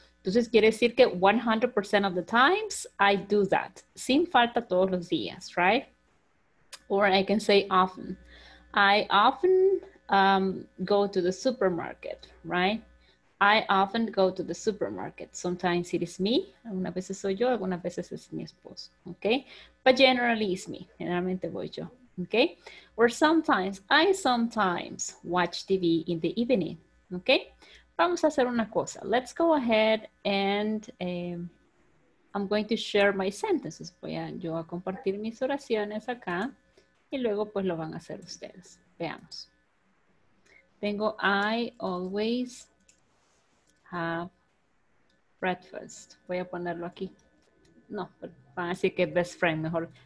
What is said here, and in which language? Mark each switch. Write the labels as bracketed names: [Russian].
[Spanish] Entonces quiere decir que 100% [English] of the times I do that, [Spanish] sin falta todos los días, right? [English] Or I can say often. I often go to the supermarket, right? I often go to the supermarket. Sometimes it is me. [Spanish] Algunas veces soy yo, algunas veces es mi esposo. [English] Okay? But generally it's me. [Spanish] Generalmente voy yo. [English] Okay? Or sometimes, I sometimes watch TV in the evening. Okay? [Spanish] Vamos a hacer una cosa. [English] Let's go ahead and I'm going to share my sentences. [Spanish] Voy a, yo a compartir mis oraciones acá. Y luego pues lo van a hacer ustedes. Veamos. Tengo [English] I always have breakfast. [Spanish] Voy a ponerlo aquí. No, van a decir que best friend mejor.